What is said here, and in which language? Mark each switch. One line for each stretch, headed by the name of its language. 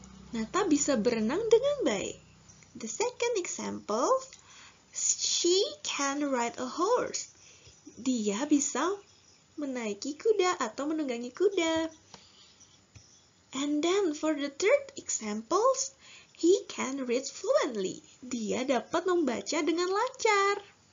Indonesian: Nata bisa berenang dengan baik.
English: The second example, she can ride a horse.
Indonesian: Dia bisa menaiki kuda atau menunggangi kuda.
English: And then for the third example, he can read fluently.
Indonesian: Dia dapat membaca dengan lancar.